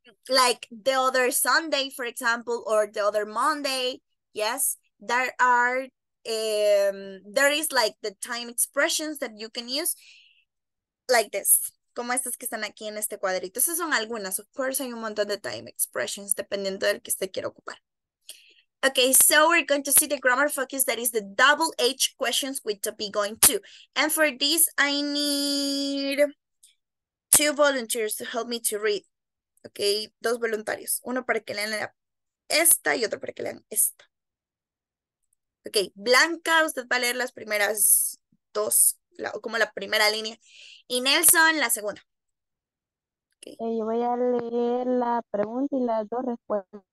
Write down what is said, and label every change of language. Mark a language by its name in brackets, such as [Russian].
[English] Like the other Sunday, for example, or the other Monday. Yes, there are, there is like the time expressions that you can use like this. [Spanish] Como estas que están aquí en este cuadrito. Esas son algunas. [English] Of course, [Spanish] hay un montón de time expressions dependiendo del que usted quiera ocupar. [English] Okay, so we're going to see the grammar focus, that is the double H questions with topic going to. And for this, I need two volunteers to help me to read. [Spanish] Okay, dos voluntarios. Uno para que lean esta y otro para que lean esta. Okay, Blanca, usted va a leer las primeras dos, como la primera línea. Y Nelson, la segunda. Okay. Yo voy a leer la pregunta y las dos respuestas.